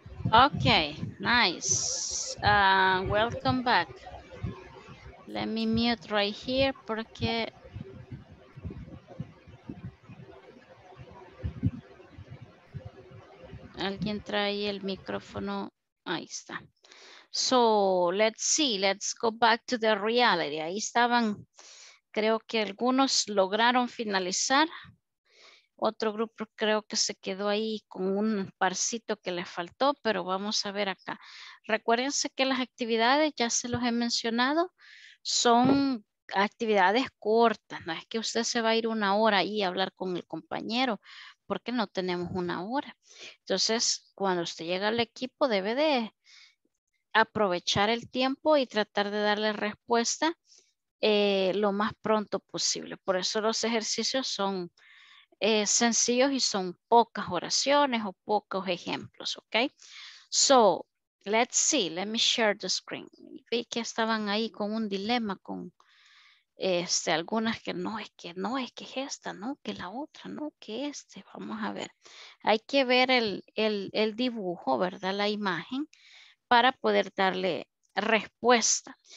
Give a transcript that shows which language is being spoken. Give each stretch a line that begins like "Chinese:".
English: Okay, nice. Welcome back. Let me mute right here
Spanish: porque alguien trae el micrófono. Ahí está.
English: So, let's see, let's go back to the reality.
Spanish: Ahí estaban, creo que algunos lograron finalizar. Otro grupo creo que se quedó ahí con un parcito que les faltó, pero vamos a ver acá. Recuérdense que las actividades, ya se los he mencionado, son actividades cortas. No es que usted se va a ir una hora ahí a hablar con el compañero, porque no tenemos una hora. Entonces, cuando usted llega al equipo, debe de aprovechar el tiempo y tratar de darle respuesta lo más pronto posible. Por eso los ejercicios son sencillos y son pocas oraciones o pocos ejemplos, ¿ok?
English: So, let's see, let me share the screen.
Spanish: Vi que estaban ahí con un dilema con algunas que no es que esta, no, que la otra, no, que este. Vamos a ver, hay que ver el dibujo, ¿verdad? La imagen, para poder darle respuesta.